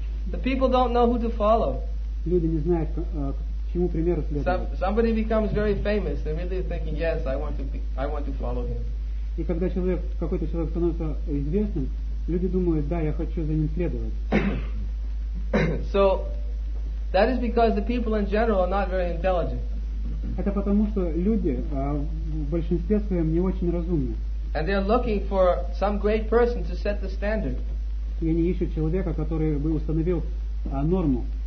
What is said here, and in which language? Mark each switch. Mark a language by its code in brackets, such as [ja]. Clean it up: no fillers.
[en] The people don't know who to follow. [ru] Люди не знают, к чему примеру следовать. [en] Somebody becomes very famous, they're really thinking, yes, I want to follow him. [ru] И когда какой-то человек становится известным, люди думают, да, я хочу за ним следовать. [en] So that is because the people in general are not very intelligent. [ru] Это потому, что люди в большинстве своем не очень разумны. [en] And they are looking for some great person to set the standard. [ru] И они ищут человека, который бы установил норму.